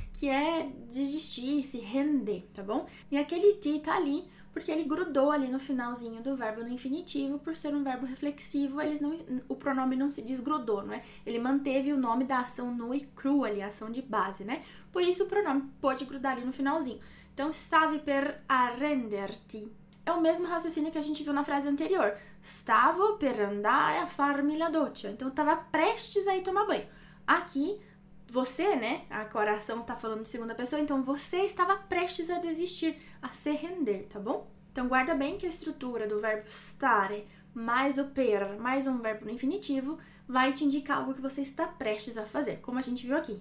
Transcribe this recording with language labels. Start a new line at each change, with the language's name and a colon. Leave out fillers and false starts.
Portuguese: Que é desistir, se render, tá bom? E aquele ti tá ali porque ele grudou ali no finalzinho do verbo no infinitivo, por ser um verbo reflexivo, o pronome não se desgrudou, não é? Ele manteve o nome da ação nua e crua ali, a ação de base, né? Por isso o pronome pode grudar ali no finalzinho.
Italian: Então, stavi per arrenderti.
Portuguese: É o mesmo raciocínio que a gente viu na frase anterior.
Italian: Stavo per andare a farmi la doccia.
Portuguese: Então, estava prestes a ir tomar banho. Aqui, você, né? A coração tá falando de segunda pessoa, então você estava prestes a desistir, a se render, tá bom? Então guarda bem que a estrutura do verbo stare mais o per mais um verbo no infinitivo vai te indicar algo que você está prestes a fazer, como a gente viu aqui.